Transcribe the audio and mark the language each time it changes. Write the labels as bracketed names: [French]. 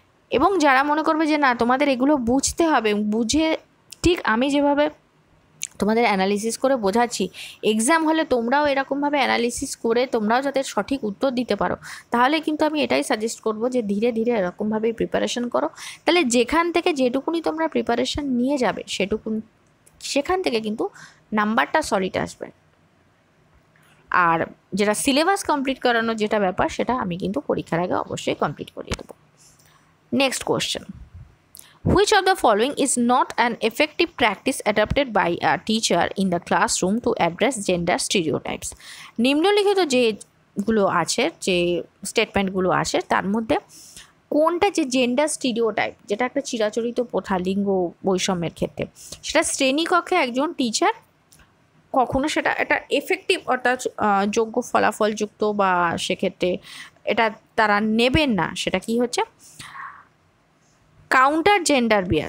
[Bangla] এবং যারা মনে করবে যে না তোমাদের এগুলো বুঝতে হবে, বুঝে ঠিক আমি যেভাবে তোমাদের অ্যানালিসিস করে বোঝাচ্ছি, এক্সাম হলে তোমরাও এরকমভাবে অ্যানালিসিস করে তোমরাও যাতে সঠিক উত্তর দিতে পারো, তাহলে কিন্তু আমি এটাই সাজেস্ট করবো যে ধীরে ধীরে এরকমভাবেই প্রিপারেশান করো। তাহলে যেখান থেকে যেটুকুনি তোমরা প্রিপারেশান নিয়ে যাবে সেটুকুন সেখান থেকে কিন্তু নাম্বারটা সলিড আসবে। আর যেটা সিলেবাস কমপ্লিট করানোর যেটা ব্যাপার, সেটা আমি কিন্তু পরীক্ষার আগে অবশ্যই কমপ্লিট করিয়ে দেবো। [English] Next question, Which of the following is not an effective practice adopted by a teacher in the classroom to address gender stereotypes? [Bangla] নিম্নলিখিত যেগুলো আছে, যে স্টেটমেন্টগুলো আছে, তার মধ্যে কোনটা যে জেন্ডার স্টিরিওটাইপ, যেটা একটা চিরাচরিত প্রথা লিঙ্গ বৈষম্যের ক্ষেত্রে, সেটা শ্রেণীকক্ষে একজন টিচার কখনো সেটা একটা এফেক্টিভ অর্থাৎ যোগ্য ফলাফলযুক্ত বা সেক্ষেত্রে এটা তারা নেবেন না, সেটা কি হচ্ছে কাউন্টার জেন্ডার